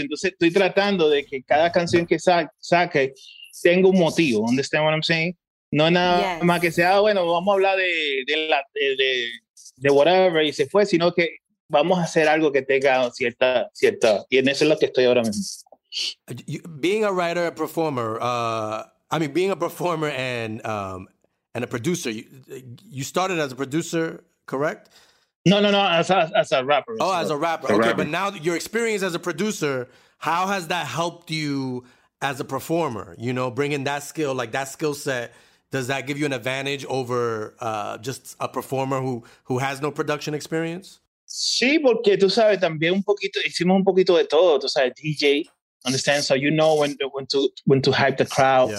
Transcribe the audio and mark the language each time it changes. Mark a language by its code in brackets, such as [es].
[es] Entonces estoy tratando de que cada canción que saque tenga un motivo, [en] understand what I'm saying? [es] No nada más que sea, bueno, vamos a hablar de whatever y se fue, sino que vamos a hacer algo que tenga cierta, y en eso es lo que estoy ahora mismo. [en] Being a writer, a performer, being a performer and a producer, you started as a producer, correct? No, as a rapper. Oh, as a rapper. Okay, but now your experience as a producer, how has that helped you as a performer? You know, bringing that skill, like that skill set, does that give you an advantage over just a performer who has no production experience? [es] Sí, porque tú sabes, también un poquito, hicimos un poquito de todo, tú sabes, DJ. [en] Understand? So you know when to hype the crowd.